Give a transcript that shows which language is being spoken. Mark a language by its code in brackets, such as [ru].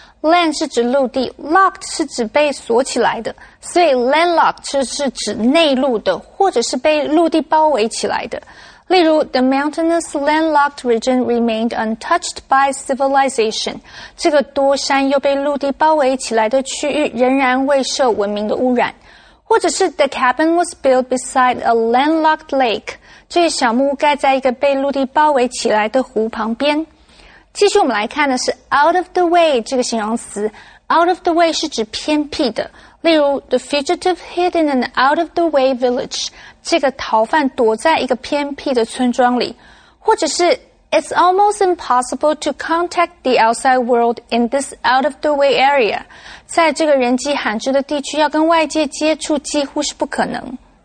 [zh] land 是指陆地， locked 是指被锁起来的，所以 landlocked 是指内陆的，或者是被陆地包围起来的。例如 [en] ，The mountainous landlocked region remained untouched by civilization. [zh] 这个多山又被陆地包围起来的区域，仍然未受文明的污染。或者是 [en] The cabin was built beside a landlocked lake. [zh] 这个小木屋盖在一个被陆地包围起来的湖旁边。继续我们来看的是 out of the way 这个形容词。out of the way 是指偏僻的。例如 [en] The fugitive hid in an out of the way village. [zh] 这个逃犯躲在一个偏僻的村庄里。或者是 [en] It's almost impossible to contact the outside world in this out of the way area. [zh] 在这个人迹罕至的地区要跟外界接触几乎是不可能。